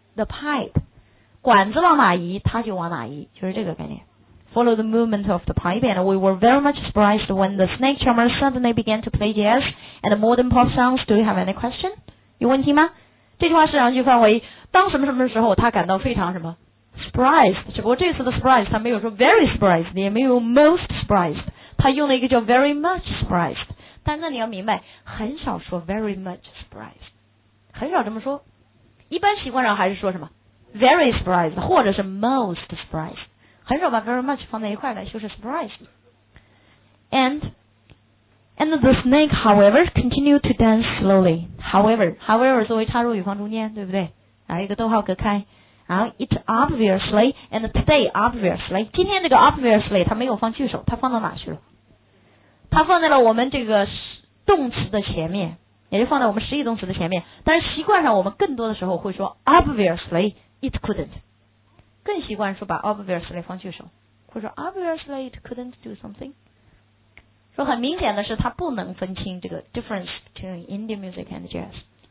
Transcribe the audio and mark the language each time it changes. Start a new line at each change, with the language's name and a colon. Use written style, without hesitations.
English: the pipe,
Chinese: 管子往哪移它就往哪移，就是这个概念。
English: follow the movement of the pipe and we were very much surprised when the snake charmer suddenly began to play jazz and modern pop songs. Do you have any question?
Chinese: 有问题吗？这句话实际上就范围当什么什么时候他感到非常什么surprised, 只不过这次的 surprise 他没有说
English: very surprised,
Chinese: 也没有
English: most surprised,
Chinese: 他用了一个叫
English: very much surprised,
Chinese: 但那你要明白很少说
English: very much
Chinese: surprised, 很少这么说，一般习惯上还是说什么 very surprised 或者是 most surprised, 很少把 very much 放在一块来修饰 surprised.
English: And the snake however continued to dance slowly, however
Chinese: 作为插入语放中间，对不对？来一个逗号隔开，然后
English: it obviously and today obviously,
Chinese: 今天这个 obviously 它没有放句首，它放到哪去了？它放在了我们这个动词的前面，也就放在我们实义动词的前面。但是习惯上我们更多的时候会说
English: obviously it couldn't,
Chinese: 更习惯说把 obviously 放句首，会说
English: obviously it couldn't do something,
Chinese: 说很明显的是它不能分清这个
English: difference between Indian music and jazz。